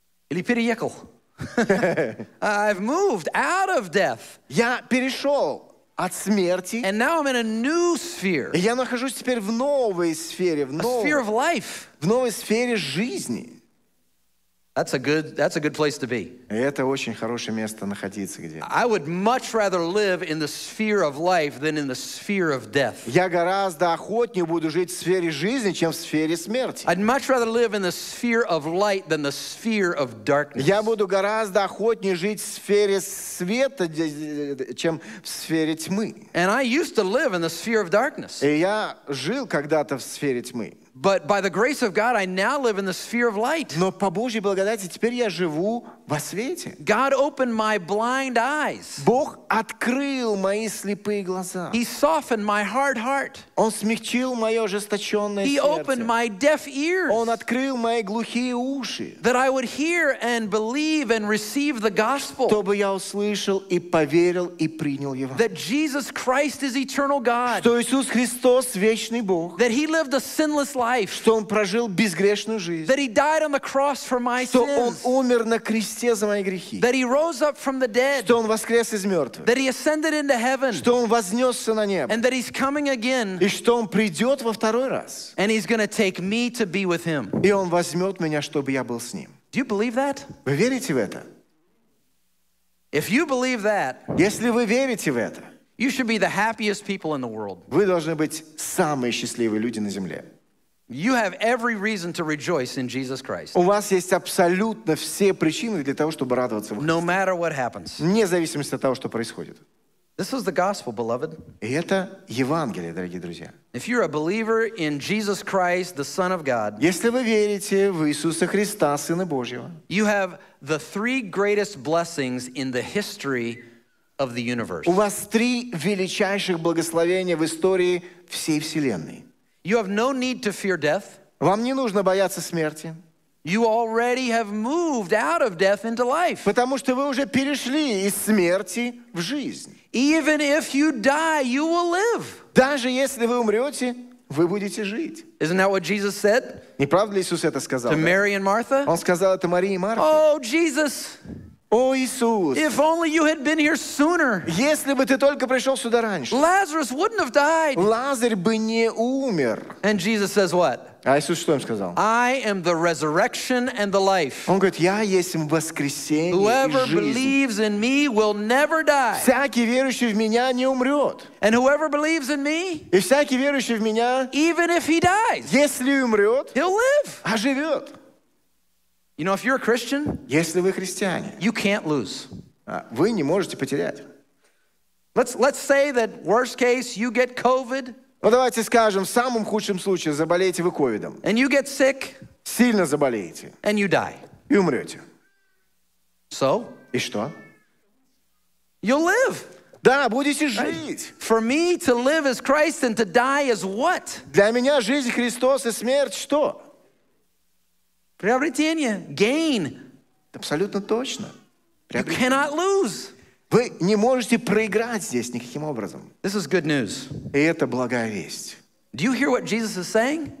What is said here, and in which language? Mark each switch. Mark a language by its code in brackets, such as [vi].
[ru] Или переехал. [en] I've moved out of death. [ru] Я перешел от смерти. [en] And now I'm in a new sphere. [ru] И я нахожусь теперь в новой сфере. [en] A sphere of life. [ru] В новой сфере жизни. [en] That's a good place to be. [ru] Это очень хорошее место находиться где. [en] I would much rather live in the sphere of life than in the sphere of death. [ru] Я гораздо охотнее буду жить в сфере жизни, чем в сфере смерти. [en] I'd much rather live in the sphere of light than the sphere of darkness. [ru] Я буду гораздо охотнее жить в сфере света, чем в сфере тьмы. [en] And I used to live in the sphere of darkness. [ru] И я жил когда-то в сфере тьмы. [en] But by the grace of God, I now live in the sphere of light. [ru] Но по Божьей благодати теперь я живу в во свете. [en] God opened my blind eyes. [ru] Бог открыл мои слепые глаза. [en] He softened my hard heart. [ru] Он смягчил мое ожесточенное сердце. [en] He opened my deaf ears. [ru] Он открыл мои глухие уши. [en] That I would hear and believe and receive the gospel. [ru] Чтобы я услышал и поверил и принял его. [en] That Jesus Christ is eternal God. [ru] Что Иисус Христос вечный Бог. [en] That He lived a sinless life. [ru] Что Он прожил безгрешную жизнь. [en] That He died on the cross for my [ru] что [en] sins. [ru] Что Он умер на кресте за мои грехи. [en] That He rose up from the dead. [ru] Что Он воскрес из мертвых. [en] That He ascended into heaven. [ru] Что Он вознесся на небо. [en] And that He's coming again. [ru] И что Он придет во второй раз. [en] And He's going to take me to be with Him. [ru] И Он возьмет меня, чтобы я был с Ним. [en] Do you believe that? [ru] Вы верите в это? [en] If you believe that, [ru] если вы верите в это, [en] you should be the happiest people in the world. [ru] Вы должны быть самые счастливые люди на земле. [en] You have every reason to rejoice in Jesus Christ. [ru] У вас есть абсолютно все причины для того, чтобы радоваться в Христе. [en] No matter what happens. [ru] Вне зависимости от того, что происходит. [en] This is the gospel, beloved. [ru] И это Евангелие, дорогие друзья. [en] If you're a believer in Jesus Christ, the Son of God, [ru] если вы верите в Иисуса Христа, Сына Божьего, [en] you have the three greatest blessings in the history of the universe. [ru] У вас три величайших благословения в истории всей вселенной. [en] You have no need to fear death. [ru] Вам не нужно бояться смерти. [en] You already have moved out of death into life. [ru] Потому что вы уже перешли из смерти в жизнь. [en] Even if you die, you will live. [ru] Даже если вы умрете, вы будете жить. [en] Isn't that what Jesus said? [ru] Не правда ли Иисус это сказал? [en] To Mary and Martha? [ru] Он сказал это Марии и Марте. [en] Oh, Jesus! [ru] О, Иисус! [en] If only you had been here sooner. [ru] Если бы ты только пришел сюда раньше. [en] Lazarus wouldn't have died. [ru] Лазарь бы не умер. [en] And Jesus says what? [ru] А Иисус что им сказал? [en] I am the resurrection and the life. [ru] Он говорит, я есть воскресение и жизнь. [en] Whoever believes in me will never die. [ru] Всякий верующий в меня не умрет. [en] And whoever believes in me, [ru] и всякий верующий в меня, [en] even if he dies, [ru] если умрет, [en] he'll live. [ru] Оживет. [en] You know, if you're a Christian, [ru] если вы христиане, [en] you can't lose. [ru] Вы не можете потерять. [en] Let's say that worst case, you get COVID. [ru] Ну давайте скажем, в самом худшем случае заболеете вы ковидом. [en] And you get sick. [ru] Сильно заболеете. [en] And you die. [ru] И умрете. [en] So? [ru] И что? [en] You'll live. [ru] Да, будете жить. [en] For me to live is Christ and to die is what? [ru] Для меня жизнь Христос и смерть что? Приобретение. [en] Gain. [ru] Абсолютно точно. [en] You cannot lose. [ru] Вы не можете проиграть здесь никаким образом. [en] This is good news. [ru] И это благая весть. [en] Do you hear what Jesus is saying?